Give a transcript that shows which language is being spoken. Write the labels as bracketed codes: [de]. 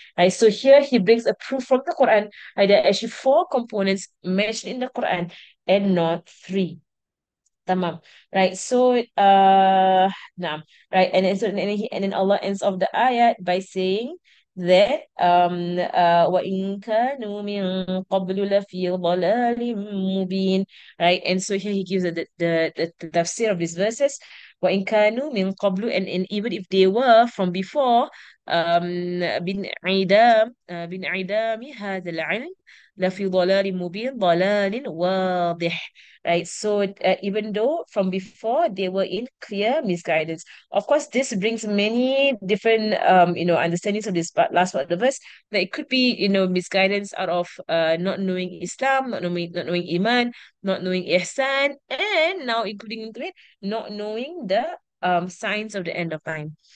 [en] Right, so here he brings a proof from the Quran. Right, there are actually four components mentioned in the Quran and not three. Tamam. Right, so naam. Right, and so and then Allah ends off the ayat by saying that [ar] وَإِن كَانُوا مِن قَبْلُ لَفِي ضَلَالٍ مُبِينٍ. [en] Right, and so here he gives the tafsir of these verses. [ar] وَإِن كَانُوا مِن قَبْلُ, [en] and even if they were from before, [ar] بِنْ عِدَامِ هَذَا الْعِلْمِ لَفِي ضَلَالٍ مُبِينٍ ضَلَالٍ وَاضِحٍ. [en] Right, so even though from before they were in clear misguidance. Of course, this brings many different understandings of this last part of the verse, that it could be, you know, misguidance out of not knowing Islam, not knowing iman, not knowing ihsan, and now including into it, not knowing the signs of the end of time.